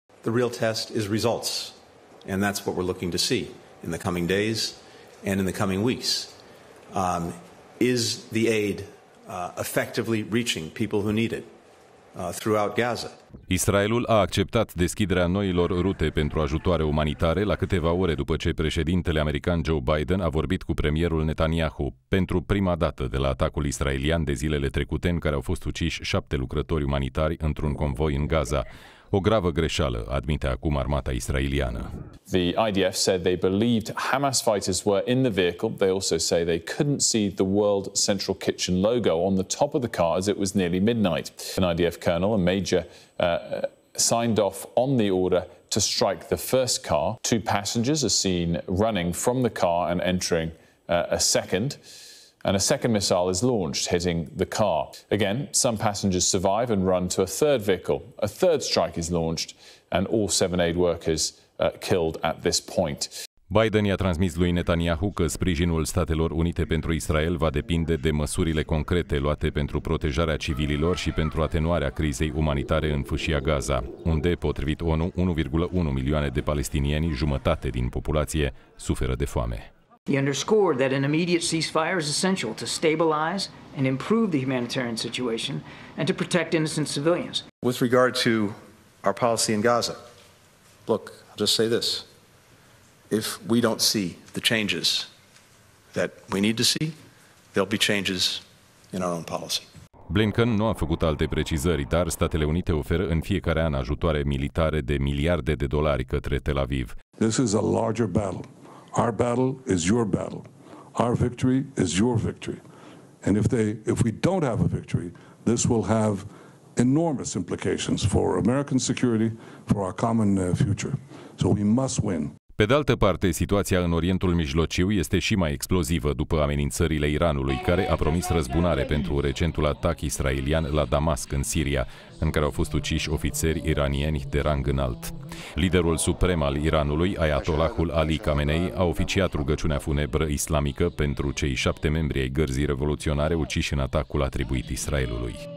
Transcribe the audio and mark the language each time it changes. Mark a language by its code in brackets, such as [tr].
[en] The real test is results, and that's what we're looking to see in the coming days and in the coming weeks. Is the aid effectively reaching people who need it throughout Gaza? [ro] Israelul a acceptat deschiderea noilor rute pentru ajutoare umanitare la câteva ore după ce președintele american Joe Biden a vorbit cu premierul Netanyahu pentru prima dată de la atacul israelian de zilele trecute, în care au fost uciși 7 lucrători umanitari într-un convoi în Gaza. O gravă greșeală, admite acum armata israeliană. [en] The IDF said they believed Hamas fighters were in the vehicle. They also say they couldn't see the World Central Kitchen logo on the top of the car as it was nearly midnight. An IDF colonel, a major, signed off on the order to strike the first car. Two passengers are seen running from the car and entering a second. And a second missile is launched, hitting the car. Again, some passengers survive and run to a third vehicle. A third strike is launched and all 7 aid workers killed at this point. [ro] Biden i-a transmis lui Netanyahu că sprijinul Statelor Unite pentru Israel va depinde de măsurile concrete luate pentru protejarea civililor și pentru atenuarea crizei umanitare în fâșia Gaza, unde, potrivit ONU, 1,1 milioane de palestinieni, jumătate din populație, suferă de foame. [en] He underscored that an immediate ceasefire is essential to stabilize and improve the humanitarian situation and to protect innocent civilians. With regard to our policy in Gaza, look, I'll just say this. If we don't see the changes that we need to see, there'll be changes in our own policy. [ro] Blinken nu a făcut alte precizări, dar Statele Unite oferă în fiecare an ajutoare militare de miliarde de dolari către Tel Aviv. [en] This is a larger battle. Our battle is your battle. Our victory is your victory. And if we don't have a victory, this will have enormous implications for American security, for our common future. So we must win. [ro] Pe de altă parte, situația în Orientul Mijlociu este și mai explozivă după amenințările Iranului, care a promis răzbunare pentru recentul atac israelian la Damasc, în Siria, în care au fost uciși ofițeri iranieni de rang înalt. Liderul suprem al Iranului, Ayatollahul Ali Khamenei, a oficiat rugăciunea funebră islamică pentru cei 7 membri ai gărzii revoluționare uciși în atacul atribuit Israelului.